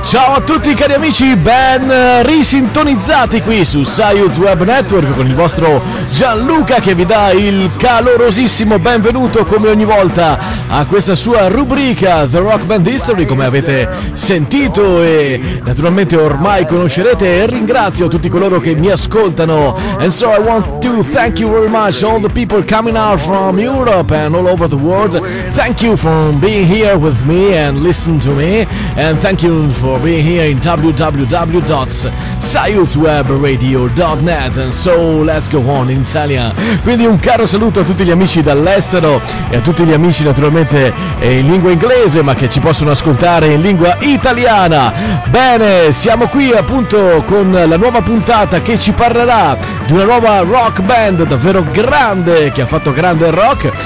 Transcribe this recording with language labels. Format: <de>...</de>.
<it>Ciao a tutti cari amici, ben risintonizzati qui su Science Web Network con il vostro Gianluca, che vi dà il calorosissimo benvenuto come ogni volta a questa sua rubrica The Rock Band History, come avete sentito e naturalmente ormai conoscerete. E ringrazio tutti coloro che mi ascoltano.</it> <en>And so I want to thank you very much all the people coming out from Europe and all over the world. Thank you for being here with me and listen to me, and thank you for being here in www.sciencewebradio.net. And so let's go on in Italian.</en> <it>Quindi un caro saluto a tutti gli amici dall'estero e a tutti gli amici naturalmente in lingua inglese, ma che ci possono ascoltare in lingua italiana. Bene, siamo qui appunto con la nuova puntata che ci parlerà di una nuova rock band davvero grande, che ha fatto grande rock.</it>